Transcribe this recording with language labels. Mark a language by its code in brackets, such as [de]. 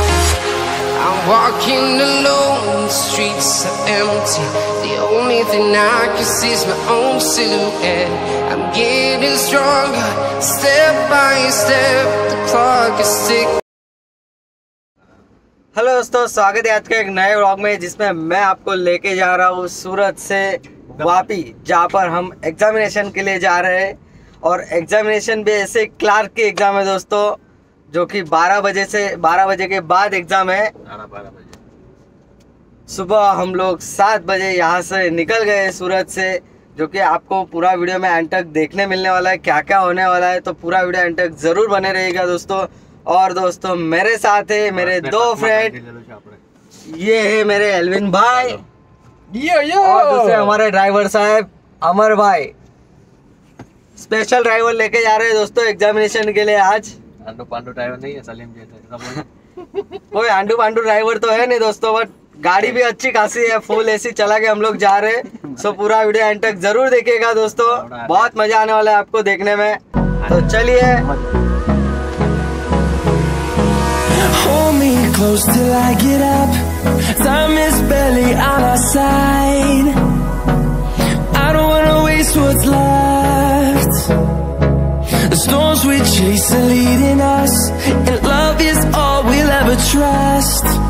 [en] I'm walking alone, the streets are empty. The only thing I can see is my own silhouette. I'm getting stronger, step by step, the clock is ticking. [hi] Hello दोस्तों, स्वागत है आज के एक नए vlog में, जिसमें मैं आपको लेके जा रहा हूँ सूरत से वापी, जहाँ पर हम एग्जामिनेशन के लिए जा रहे हैं। और एग्जामिनेशन भी ऐसे क्लार्क के एग्ज़ाम है दोस्तों, जो कि 12 बजे के बाद एग्ज़ाम है। 12 बजे सुबह हम लोग 7 बजे यहाँ से निकल गए सूरत से, जो कि आपको पूरा वीडियो में एंड तक देखने मिलने वाला है, क्या क्या होने वाला है, तो पूरा वीडियो एंड तक ज़रूर बने रहेगा दोस्तों। और दोस्तों मेरे साथ है मेरे दो फ्रेंड, ये है मेरे एल्विन भाई, ये और दूसरे हमारे ड्राइवर साहब अमर भाई। स्पेशल ड्राइवर लेके जा रहे हैं दोस्तों एग्जामिनेशन के लिए आज। आंडू पांडू ड्राइवर नहीं है, सलीम जैसा कोई आंडू पांडू ड्राइवर तो है नहीं दोस्तों, बट गाड़ी भी अच्छी खासी है, फुल एसी चला के हम लोग जा रहे हैं। सो पूरा वीडियो एंड तक जरूर देखिएगा दोस्तों, बहुत मजा आने वाला है आपको देखने में। तो चलिए [en] close till I get up, time is barely on our side. I don't wanna waste what's left. The storms we chase are leading us, and love is all we'll ever trust.